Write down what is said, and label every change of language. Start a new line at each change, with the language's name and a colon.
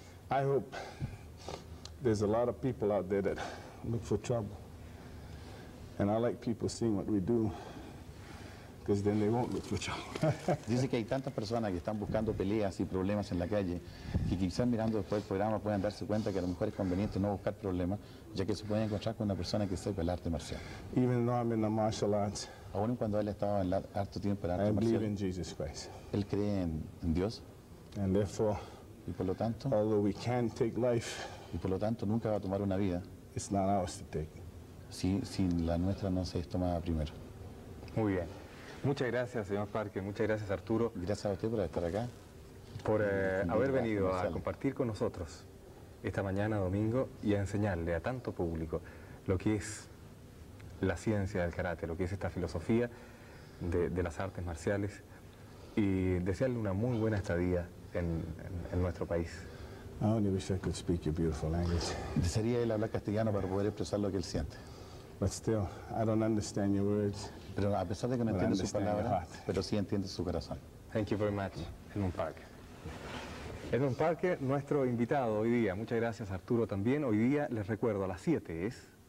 English: I hope there's a lot of people out there that look for trouble. And I like people seeing what we do, because then they won't look for trouble.
Spanish: Dice que hay tantas personas que están buscando peleas y problemas en la calle, que quizás mirando después el programa puedan darse cuenta que a lo mejor es conveniente no buscar problemas, ya que se puede encontrar con una persona que sepa el arte marcial.
English: Even though I'm in the martial arts,
Spanish: aún cuando él estaba en harto tiempo en el arte
English: marcial, I believe in Jesus Christ.
Spanish: Él cree en Dios.
English: And therefore,
Spanish: y por lo tanto,
English: although we can take life,
Spanish: y por lo tanto nunca va a tomar una vida,
English: it's not ours to take.
Spanish: sin la nuestra no se tomaba primero. Muy bien. Muchas gracias, señor Parker. Muchas gracias, Arturo. Gracias a usted por estar acá. Por haber venido a compartir con nosotros esta mañana, domingo, y a enseñarle a tanto público lo que es la ciencia del karate, lo que es esta filosofía de las artes marciales, y desearle una muy buena estadía en nuestro país.
English: I only wish I could speak your beautiful language.
Spanish: Desearía él hablar castellano para poder expresar lo que él siente.
English: But still, I don't understand your words.
Spanish: Pero a pesar de que no entiendo su palabra, pero sí entiendo su corazón.
English: Thank you very much, Edmund Parker. Edmund Parker,
Spanish: nuestro invitado hoy día. Muchas gracias, Arturo, también. Hoy día, les recuerdo, a las 7 es...